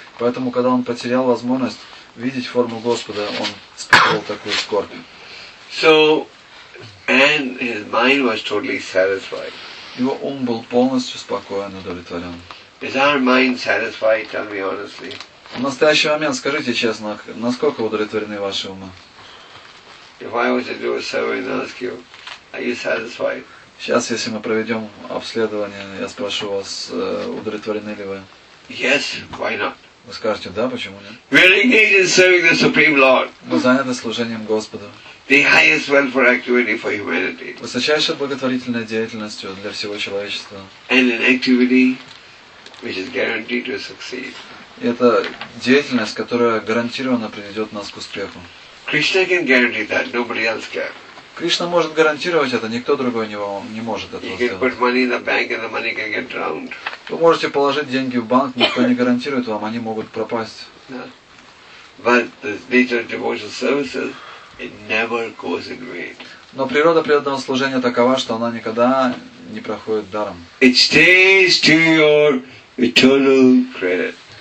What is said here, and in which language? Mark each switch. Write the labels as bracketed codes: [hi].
[ru] Поэтому, когда он потерял возможность видеть форму Господа, он испытывал такую скорбь. [en] And his mind was totally satisfied. [ru] Его ум был полностью спокоен и удовлетворен. [en] Is our mind satisfied? Tell me honestly. [ru] В настоящий момент, скажите честно, насколько удовлетворены ваши умы? [en] If I was to do a survey and ask you, are you satisfied? [ru] Сейчас, если мы проведем обследование, я спрошу вас, удовлетворены ли вы? [en] Yes, why not? [ru] Вы скажете, да, почему нет? [en] We are engaged in serving the Supreme Lord. [ru] Мы заняты служением Господу. [en] The highest welfare activity for humanity. [ru] Высочайшая благотворительная деятельность для всего человечества. [en] And an activity which is guaranteed to succeed. [ru] Это деятельность, которая гарантированно приведет нас к успеху. [en] Krishna can guarantee that. Nobody else can. [ru] Кришна может гарантировать это, никто другой не может этого сделать. [en] Put money in the bank and the money can get drowned. [ru] Вы можете положить деньги в банк, никто не гарантирует вам, они могут пропасть. [en] But the nature of devotional services, it never goes in vain. [ru] Но природа преданного служения такова, что она никогда не проходит даром. [en] It stays to your eternal credit.